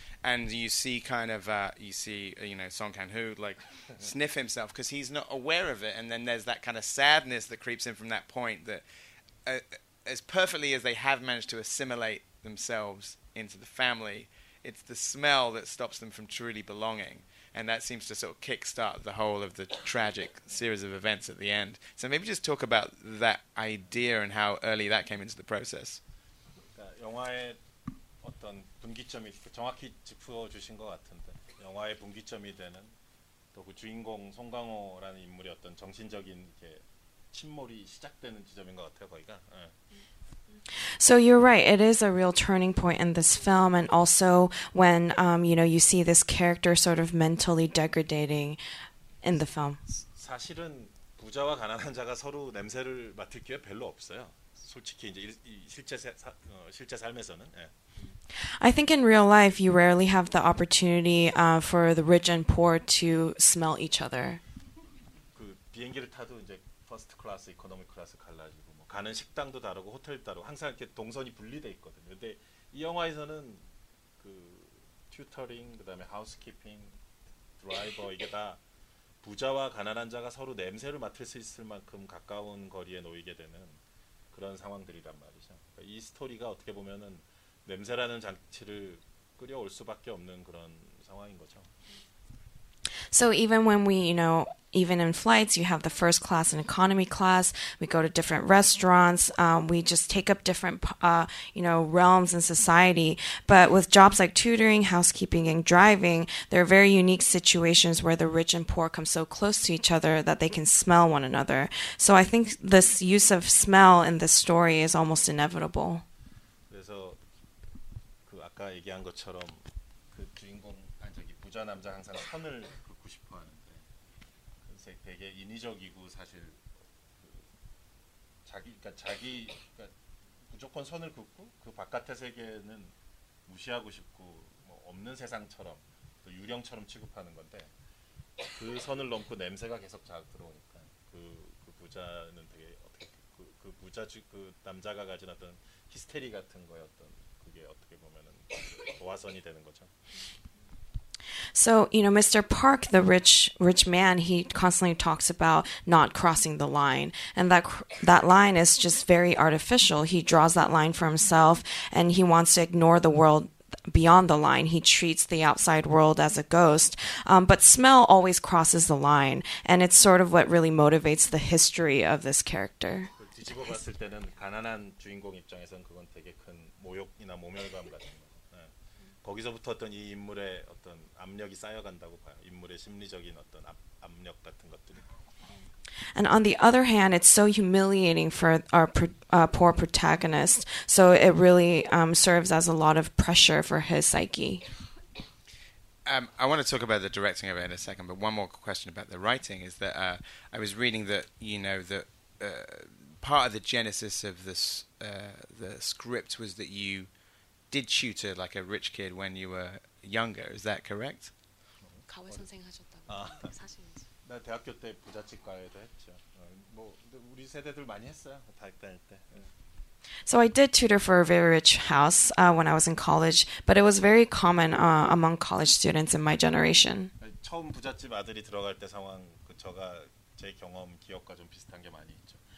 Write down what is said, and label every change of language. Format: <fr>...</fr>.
<en>And you see kind of, Song Kang-ho, like, sniff himself because he's not aware of it. And then there's that kind of sadness that creeps in from that point that as perfectly as they have managed to assimilate themselves into the family, it's the smell that stops them from truly belonging. And that seems to sort of kickstart the whole of the tragic series of events at the end. So maybe just talk about that idea and how early that came into the process.</en> <ko>어떤 분기점이 정확히 짚어주신 것 같은데 영화의 분기점이 되는 또 그 주인공 송강호라는 인물의 어떤 정신적인 이렇게 침몰이 시작되는 지점인 것 같아요 거기가</ko> <en>So you're right. It is a real turning point in this film, and also when you see this character sort of mentally degrading in the film.</en> <ko>사실은 부자와 가난한 자가 서로 냄새를 맡을 기회 별로 없어요. 솔직히 이제 실제 삶에서는. 예.</ko> <en>I think in real life, you rarely have the opportunity for the rich and poor to smell each other.</en> <ko>그 비행기를 타도 이제 퍼스트 클래스, 이코노미 클래스 갈라지고 뭐 가는 식당도 다르고 호텔 다르고 항상 이렇게 동선이 분리돼 있거든요. 근데 이 영화에서는 그 튜터링, 그다음에 하우스키핑, 드라이버 이게 다 부자와 가난한 자가 서로 냄새를 맡을 수 있을 만큼 가까운 거리에 놓이게 되는 그런 상황들이란 말이죠. 그러니까 이 스토리가 어떻게 보면은 냄새라는 장치를 끌어올 수밖에 없는 그런 상황인 거죠.</ko> <en>So even when we, you know, even in flights, you have the first class and economy class. We go to different restaurants. We just take up different, realms in society. But with jobs like tutoring, housekeeping, and driving, there are very unique situations where the rich and poor come so close to each other that they can smell one another. So I think this use of smell in this story is almost inevitable.</en> <ko>그래서 그 아까 얘기한 것처럼 그 주인공 부자 남자 항상 선을 긋고 싶어 하는데 그래서 되게 인위적이고 사실 그 자기 그러니까 무조건 선을 긋고 그 바깥의 세계는 무시하고 싶고 뭐 없는 세상처럼 또 유령처럼 취급하는 건데 그 선을 넘고 냄새가 계속 자극 들어오니까 그 부자는 되게 어떻게 그 부자 그 남자가 가진 어떤 히스테리 같은 거였던 그게 어떻게 보면은 도화선이 되는 거죠.</ko> <en>So, you know, Mr. Park, the rich man, he constantly talks about not crossing the line. And that line is just very artificial. He draws that line for himself, and he wants to ignore the world beyond the line. He treats the outside world as a ghost. But smell always crosses the line, and it's sort of what really motivates the history of this character.</en> <ko>뒤집어 봤을 때는 가난한 주인공 입장에서는 그건 되게 큰 모욕이나 모멸감 같은 거. 거기서부터 어떤 이 인물의 어떤 압력이 쌓여간다고 봐요. 인물의 심리적인 어떤 압력 같은 것들이.</ko> <en>And on the other hand, it's so humiliating for our poor protagonist. So it really serves as a lot of pressure for his psyche. I want to talk about the directing of it in a second, but one more question about the writing is that I was reading that, you know, that part of the genesis of this the script was that you did tutor like a rich kid when you were younger. Is that correct?</en> <ko>가외 선생 하셨다고. 나 대학교 때 부잣집 과외도 했죠. 뭐 우리 세대들 많이 했어요. 대학 다닐 때.</ko> <en>So I did tutor for a very rich house when I was in college, but it was very common among college students in my generation.</en> <ko>처음 부잣집 아들이 들어갈 때 상황 그 저가 제 경험 기억과 좀 비슷한 게 많이 있죠.</ko>